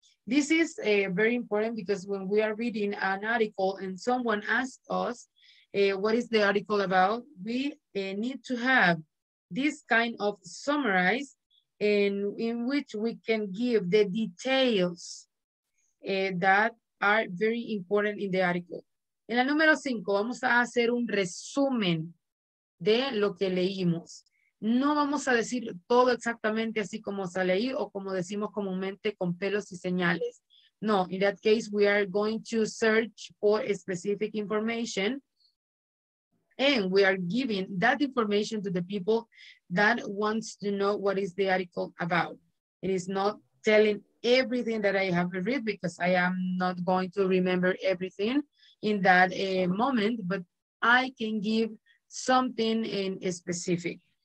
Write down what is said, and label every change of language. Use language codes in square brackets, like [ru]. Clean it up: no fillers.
[en] This is very important because when we are reading an article and someone asks us, what is the article about? We need to have this kind of summarize in which we can give the details that are very important in the article. [es] En la número 5 vamos a hacer un resumen de lo que leímos. No vamos a decir todo exactamente así como se leí o como decimos comúnmente con pelos y señales. [en] No, in that case we are going to search for specific information and we are giving that information to the people that wants to know what is the article about. It is not telling everything that I have read because I am not going to remember everything in that moment, but I can give something in specific.